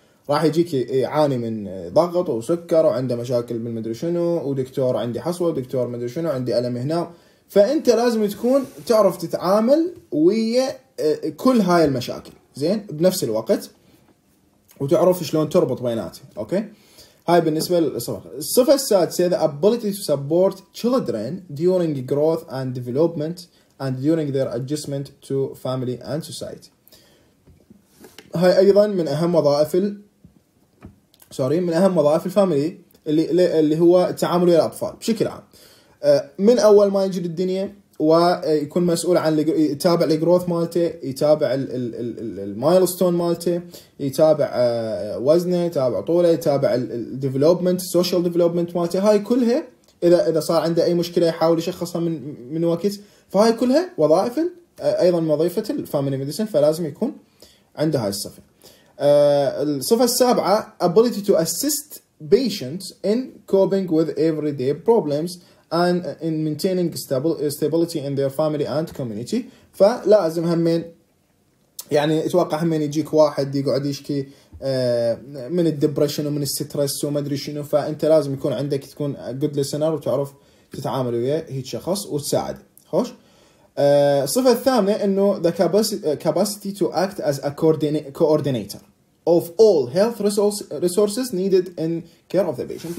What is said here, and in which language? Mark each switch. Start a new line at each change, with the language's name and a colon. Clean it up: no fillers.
Arabic: راح يجيك يعاني من ضغط وسكر وعنده مشاكل من مدري شنو، ودكتور عندي حصوة، دكتور مدري شنو عندي ألم هنا، فانت لازم تكون تعرف تتعامل ويا كل هاي المشاكل زين بنفس الوقت، وتعرف شلون تربط بيناتها. اوكي هاي بالنسبه للصفه. الصفه السادسه
English: the ability to support children during growth and development and during their adjustment to family and society.
Arabic: هاي ايضا من اهم وظائف من اهم وظائف الفاميلي اللي هو التعامل ويا الاطفال بشكل عام من اول ما يجي للدنيا، ويكون مسؤول عن يتابع الجروث مالته، يتابع المايلستون مالته، يتابع وزنه، يتابع طوله، يتابع الديفلوبمنت سوشيال ديفلوبمنت مالته، هاي كلها اذا صار عنده اي مشكله يحاول يشخصها من وقت، فهاي كلها وظائف ايضا وظيفه الفاميلي ميديسن، فلازم يكون عنده هاي الصفه. الصفه السابعه
English: ability to assist patients in coping with everyday problems and in maintaining stability in their family and community.
Arabic: فلازم همين يعني اتوقع همين يجيك واحد يقعد يشكي من الدبريشن ومن السترس وما ادري شنو، فانت لازم يكون عندك تكون
English: good listener
Arabic: وتعرف تتعامل ويا هيك شخص وتساعد. خوش الصفه الثامنه انه
English: the capacity to act as a coordinator of all health resources needed in care of the patient.